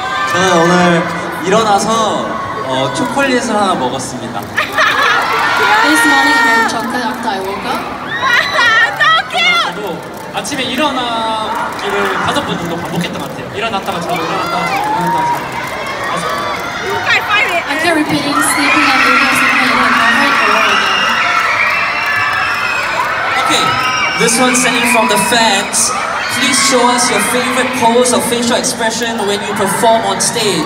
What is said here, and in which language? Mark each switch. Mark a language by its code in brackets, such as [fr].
[ko] 저는 오늘 일어나서 초콜릿을 하나 먹었습니다. [en] This morning I had chocolate after I woke up. So cute. [ko] 아침에 일어나기를 다섯 번 정도 반복했던 것 같아요. 일어났다가 자고 일어났다가 자고 일어났다가 자고. [en] I can't repeat it. Sleeping and waking up and my heart all over again. This one's sent in from the fans. Please show us your favorite pose or facial expression when you perform on stage.